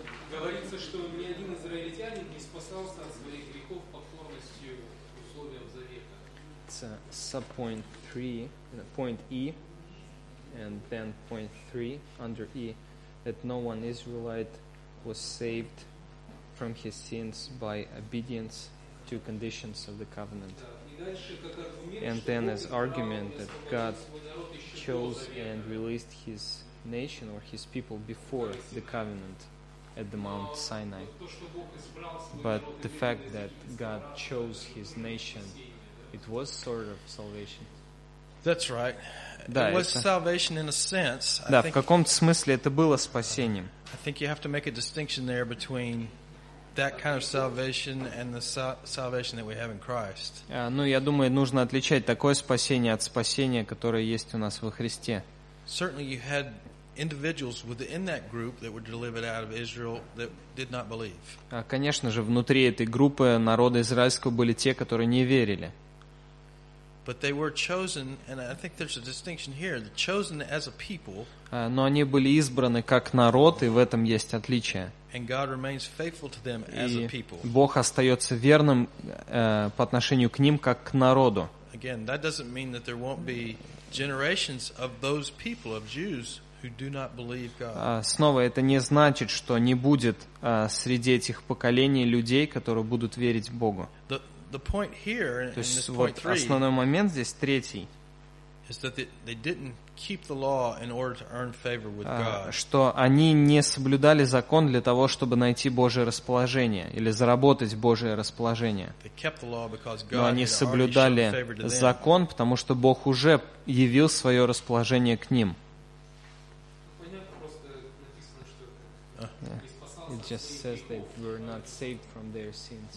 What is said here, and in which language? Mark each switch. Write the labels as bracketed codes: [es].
[ru] Говорится, что ни один израильтянин не спасался от своих грехов покорностью. [en] It's sub-point 3, point E, and then point 3 under E, that no one Israelite was saved from his sins by obedience to conditions of the covenant. And then as argument that God chose and released his nation or his people before the covenant at the Mount Sinai. But the fact that God chose his nation, it was sort of salvation. That's right. [ru] Да, [en] it was salvation in a sense. [ru] Да, в каком-то смысле это было спасением. [en] I think you have to make a distinction there between that kind of salvation and the salvation that we have in Christ. [ru] Ну, я думаю, нужно отличать такое спасение от спасения, которое есть у нас во Христе. [en] Certainly you had individuals within that group that were delivered out of Israel that did not believe. [ru] Конечно же, внутри этой группы народа израильского были те, которые не верили. [en] But they were chosen, and I think there's a distinction here, chosen as a people. [ru] Но они были избраны как народ, и в этом есть отличие. [en] And God remains faithful to them as a people. [ru] И Бог остается верным по отношению к ним как к народу. [en] Again, that doesn't mean that there won't be generations of those people of Jews who do not believe God. [ru] Снова, это не значит, что не будет среди этих поколений людей, которые будут верить Богу. [en] The point here in this point 3. [ru] То есть вот основной момент здесь третий. [en] Is that they didn't keep the law in order to earn favor with God. [ru] Что они не соблюдали закон для того, чтобы найти Божье расположение или заработать Божье расположение. [en] They kept the law because God. [ru] Но они соблюдали закон, потому что Бог уже явил свое расположение к ним. [en] It just says that we're not saved from their sins.